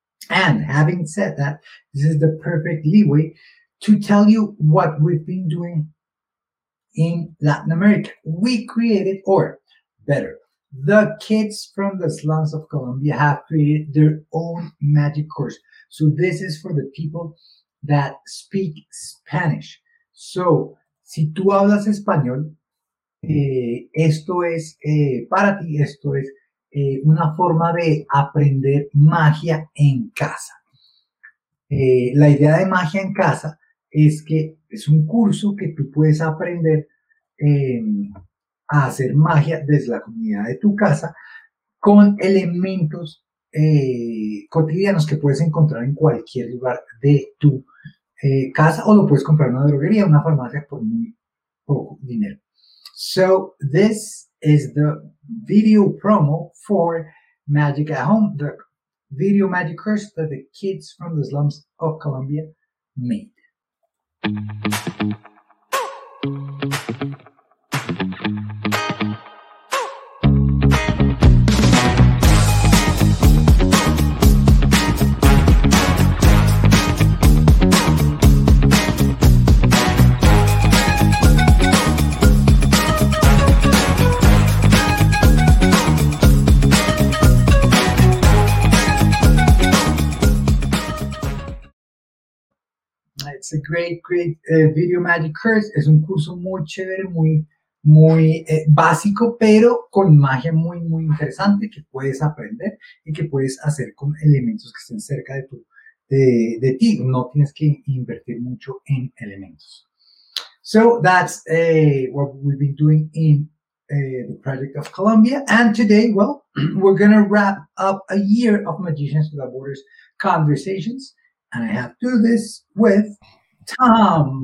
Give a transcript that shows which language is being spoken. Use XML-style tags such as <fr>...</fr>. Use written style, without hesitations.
<en>And having said that, this is the perfect leeway to tell you what we've been doing in Latin America. We created, or better, the kids from the slums of Colombia have created their own magic course. So this is for the people that speak Spanish.</en> <es>So, si tú hablas español, esto es para ti, esto es una forma de aprender magia en casa. La idea de magia en casa es que es un curso que tú puedes aprender a hacer magia desde la comunidad de tu casa con elementos cotidianos que puedes encontrar en cualquier lugar de tu casa, o lo puedes comprar en una droguería, una farmacia, por muy poco dinero.</es> <en>So this is the video promo for Magic at Home, the video magic course that the kids from the slums of Colombia made. It's a great video magic course.</en> <es>Es un curso muy chévere, muy básico, pero con magia muy, muy interesante que puedes aprender y que puedes hacer con elementos que estén cerca de tu de ti. No tienes que invertir mucho en elementos.</es> <en>So that's what we've been doing in the Project of Colombia. And today, well, we're going to wrap up a year of Magicians Without Borders conversations. And I have to do this with Tom.</en>